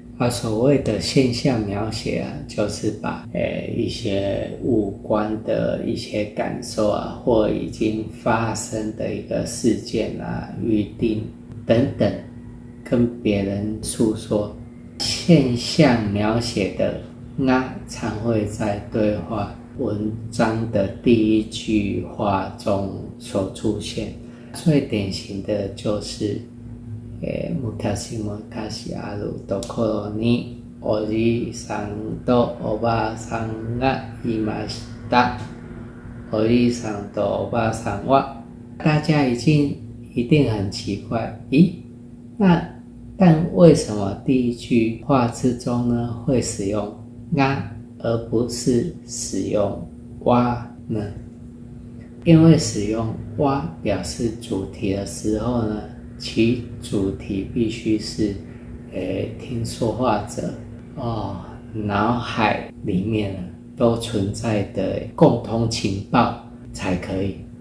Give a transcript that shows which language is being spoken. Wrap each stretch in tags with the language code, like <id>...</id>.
<zh>所谓的现象描写啊，就是把一些物观的一些感受啊，或已经发生的一个事件啊、预定等等跟别人诉说。现象描写的那常会在对话文章的第一句话中所出现，最典型的就是</zh> <ja>昔々あるところにおじいさんとおばあさんがいました。おじいさんとおばあさんは、</ja> <zh>大家已经一定很奇怪，咦？那但为什么第一句话之中呢会使用那而不是使用哇呢？因为使用哇表示主题的时候呢，其主题必须是听说话者脑海里面都存在的共通情报才可以。</zh>